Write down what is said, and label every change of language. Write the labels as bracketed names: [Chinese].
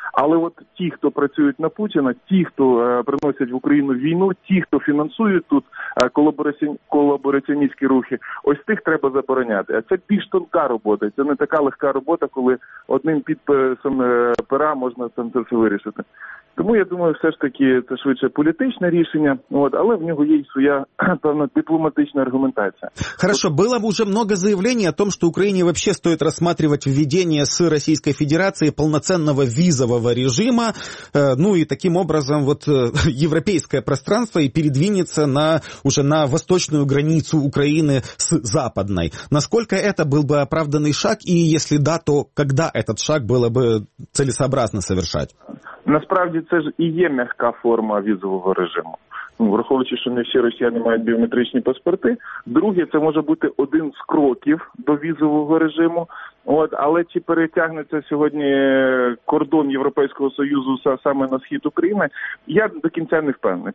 [Ukrainian] Але от ті, хто працюють на Путіна, ті, хто приносять в Україну війну, ті, хто фінансують тут колабораціоністські рухи, ось тих треба забороняти. А це більш тонка робота, це не така легка робота, коли одним підписом пера можна там це все вирішити. Тому я думаю, все ж таки це швидше політичне рішення, але в нього є своя певна дипломатична аргументація. [Russian] Хорошо, было уже много заявлений о том, что Украине вообще стоит рассматривать введение с Российской Федерации полноценного визового режима, ну и таким образом вот европейское пространство и передвинется на восточную границу Украины с западной. Насколько это был бы оправданный шаг, и если да, то когда этот шаг было бы целесообразно совершать? [Ukrainian] Насправді, це ж і є м'яка форма візового режиму. Враховуючи, що не всі росіяни мають біометричні паспорти. Друге, це може бути один з кроків до візового режиму. От, але чи перетягнеться сьогодні кордон Європейського Союзу саме на схід України, я до кінця не впевнений.